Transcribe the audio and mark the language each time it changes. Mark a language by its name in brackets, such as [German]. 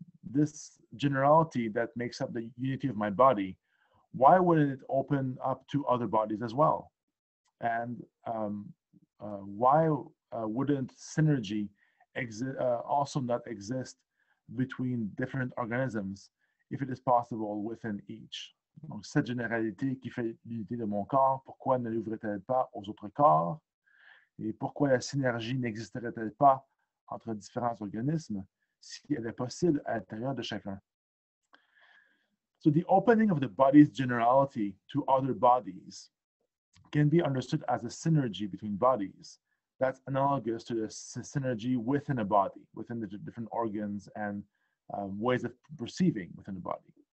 [English] This generality that makes up the unity of my body, why wouldn't it open up to other bodies as well? And why wouldn't synergy also not exist between different organisms if it is possible within each? [French] Donc, cette généralité qui fait l'unité de mon corps, pourquoi ne l'ouvrait-elle pas aux autres corps? Et pourquoi la synergie n'existerait-elle pas entre différents organismes si elle est possible à l'intérieur de chacun? [English] So the opening of the body's generality to other bodies can be understood as a synergy between bodies that's analogous to the synergy within a body, within the different organs and ways of perceiving within the body.